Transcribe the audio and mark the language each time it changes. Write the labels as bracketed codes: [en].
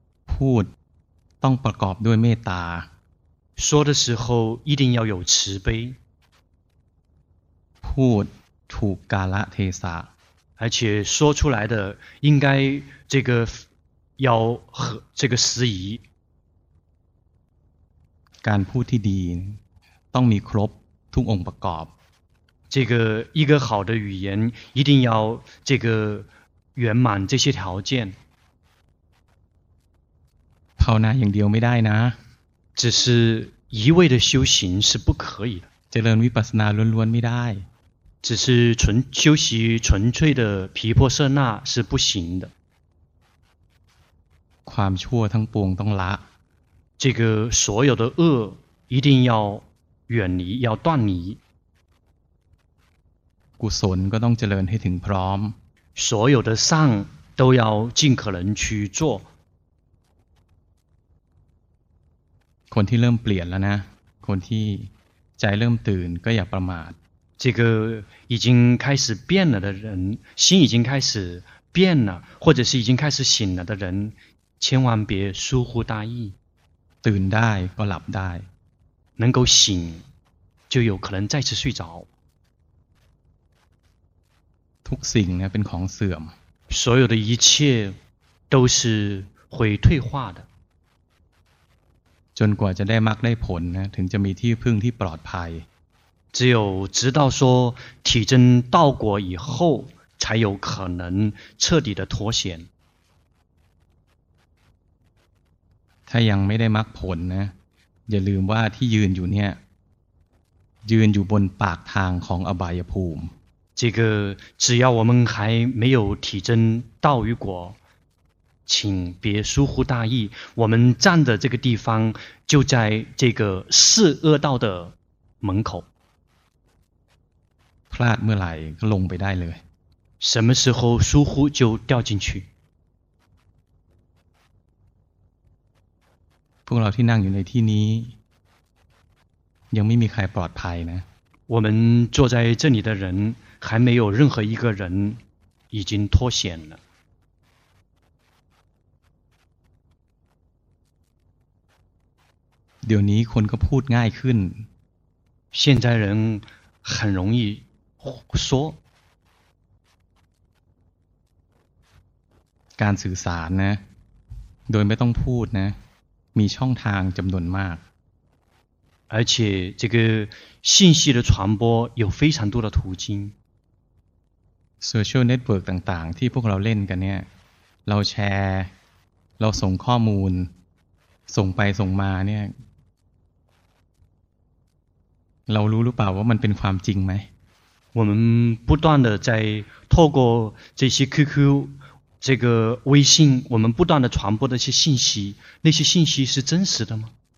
[th] พูดต้องประกอบด้วยเมตตา [zh] 说的时候一定要有慈悲 [th] พูดถูกกาลเทศะ [zh] 而且说出来的应该这个要和这个时宜 [th] การพูดที่ดีต้องมีครบทุกองค์ประกอบ [zh] 这个一个好的语言一定要这个圆满这些条件 [th] ภาวนาอย่างเดียวไม่ได้นะ [zh] 只是一味的修行是不可以的 [th] เจริญวิปัสสนาล้วนๆไม่ได้ [zh] 只是纯修习纯粹的毗婆舍那是不行的 [th] ความชั่วทั้งปวงต้องละ [zh] 这个所有的恶一定要远离要断离 [th] กุศลก็ต้องเจริญให้ถึงพร้อม [zh] 所有的善都要尽可能去做 [th] คนที่เริ่มเปลี่ยนแล้วนะคนที่ใจเริ่มตื่นก็อย่าประมาท [zh] 这个已经开始变了的人心已经开始变了或者是已经开始醒了的人千万别疏忽大意 [th] ตื่นได้ก็หลับได้ [zh] 能够醒就有可能再次睡着 [th] ทุกสิ่งเนี่ยเป็นของเสื่อม [zh] 所有的一切都是会退化的 [th] จนกว่าจะได้มรรคได้ผลนะถึงจะมีที่พึ่งที่ปลอดภัย [zh] 只有直到说体证道果以后才有可能彻底的脱险 [th] ถ้ายังไม่ได้มรรคผลนะอย่าลืมว่าที่ยืนอยู่เนี่ยยืนอยู่บนปากทางของอบายภูมิ [zh] 这个只要我们还没有体证道与果请别疏忽大意我们站的这个地方就在这个四恶道的门口 [th] พลาดเมื่อไหร่ก็ลงไปได้เลย [zh] 什么时候疏忽就掉进去 [th] พวกเราที่นั่งอยู่ในที่นี้ยังไม่มีใครปลอดภัยนะ [zh] 我们坐在这里的人还没有任何一个人已经脱险了 [th] เดี๋ยวนี้คนก็พูดง่ายขึ้น [zh] 现在人很容易说 [th] การสื่อสารนะโดยไม่ต้องพูดนะมีช่องทางจำนวนมาก [zh] 而且这个信息的传播有非常多的途径 [th] Social network ต่างๆที่พวกเราเล่นกันเนี่ยเราแชร์เราส่งข้อมูลส่งไปส่งมาเนี่ยเรารู้หรือเปล่าว่ามันเป็นความจริงไหม [zh] 我们不断的在透过这些 QQ 这个微信我们不断的传播的一些信息那些信息是真实的吗